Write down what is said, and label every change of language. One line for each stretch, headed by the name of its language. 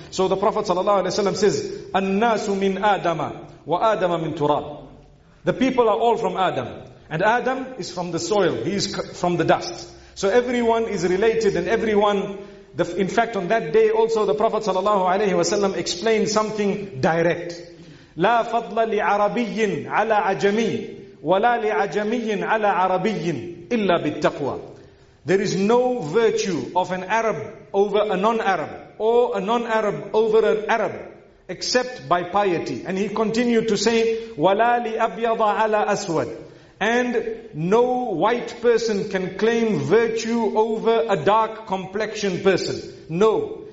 English: So the Prophet ﷺ says,
Arabic: "An-nasu min Adama, wa Adama min turab."
English: The people are all from Adam, and Adam is from the soil, he is from the dust. So everyone is related, and everyone, in fact on that day also the Prophet ﷺ explained something direct.
Arabic: لا فضل لعربي على عجمي ولا لعجمي على عربي إلا بالتقوى.
English: There is no virtue of an Arab over a non-Arab or a non-Arab over an Arab except by piety. And he continued to say
Arabic: ولا لأبيض على أسود.
English: And no white person can claim virtue over a dark complexion person. No.